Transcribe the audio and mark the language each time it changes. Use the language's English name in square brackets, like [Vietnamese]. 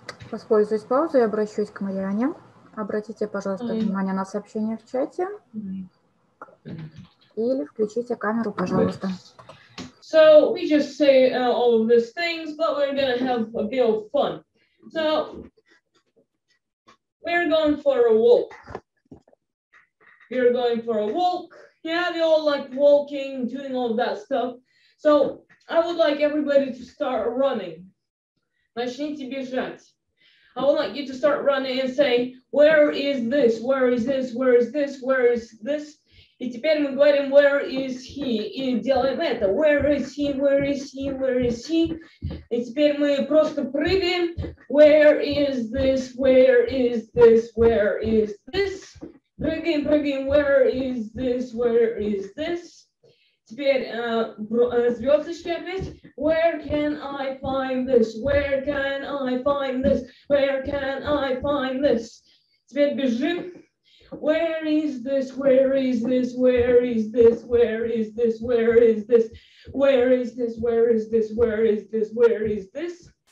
[Russian] Воспользуюсь паузой и обращусь к Марианне. Обратите, пожалуйста, внимание на сообщение в чате. Или включите камеру, пожалуйста. [English] So we just say all of these things, but we're gonna have a bit of fun. So we're going for a walk. We're going for a walk. Yeah, they all like walking, doing all that stuff. So I would like everybody to start running. [Russian] Начните бежать. [English] I would like you to start running and say, where is this? Where is this? Where is this? Where is this? [Russian] И теперь мы говорим, [English] where is he? [Russian] И делаем это. [English] Where is he? Where is he? Where is he? [Russian] И теперь мы просто прыгаем. [English] Where is this? Where is this? Where is this? [Russian] Прыгаем, прыгаем, [English] where is this, where is this? [Russian] Теперь звездочки опять. [English] Where can I find this, where can I find this, where can I find this? [Russian] Теперь бежим. [English] Where is this, where is this, where is this, where is this, where is this, where is this, where is this, where is this, where is this?